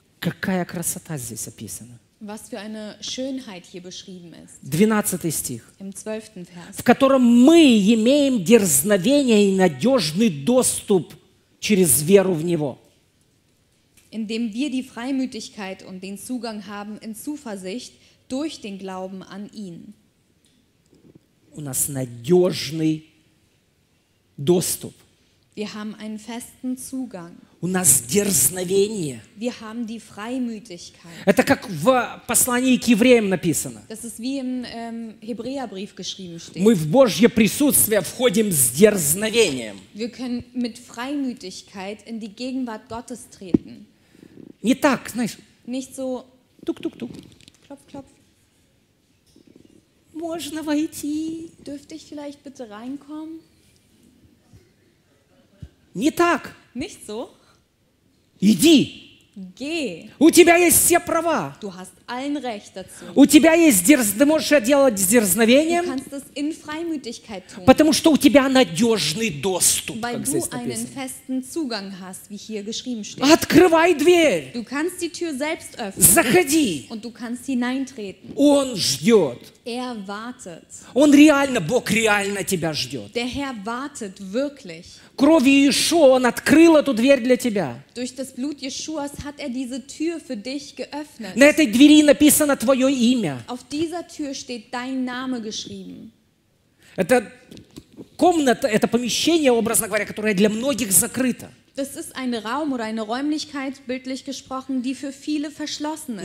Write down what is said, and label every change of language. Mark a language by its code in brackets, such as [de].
[ru] Какая красота здесь описана. [de] Was für eine Schönheit hier beschrieben ist. [ru] 12 стих. [de] Im 12. Vers. [ru] В котором мы имеем дерзновение и надежный доступ через веру в Него. [de] Indem wir die Freimütigkeit und den Zugang haben in Zuversicht durch den Glauben an ihn. [ru] У нас надежный доступ. [de] Wir haben einen festen Zugang. [ru] У нас дерзновение. [de] Wir haben die Freimütigkeit. [ru] Это как в послании к евреям написано. [de] Das ist wie im Hebräerbrief geschrieben steht. [ru] Мы в Божье присутствие входим с дерзновением. [de] Wir können mit Freimütigkeit in die Gegenwart Gottes treten. [ru] Не так, знаешь. [de] Nicht so. [ru] Тук-тук-тук. [de] Klopf-klopf. [ru] Можно войти. [de] Dürfte ich vielleicht bitte reinkommen? [ru] Не так. [de] Nicht so. [ru] Иди. [de] Geh. [ru] У тебя есть все права. [de] Du hast allen Recht dazu. [ru] У тебя есть ты можешь это делать с дерзновением. [de] Du kannst das in Freimütigkeit tun. [ru] Потому что у тебя надежный доступ. [de] Weil du einen festen Zugang hast, wie hier geschrieben steht. [ru] Открывай дверь. [de] Du kannst die Tür selbst öffnen. [ru] Заходи. [de] Und du kannst hineintreten. [ru] Он ждет. [de] Er wartet. [ru] Он реально, Бог реально тебя ждет. [de] Der Herr wartet wirklich. [ru] Кровью Иешуа Он открыл эту дверь для тебя. [de] Durch das Blut Jeschuas hat er diese Tür für dich geöffnet. [ru] На этой двери написано твое имя. [de] Auf dieser Tür steht dein Name geschrieben. [ru] Это комната, это помещение, образно говоря, которое для многих закрыто. [de] Das ist ein Raum oder eine Räumlichkeit, bildlich gesprochen, die für viele verschlossen ist.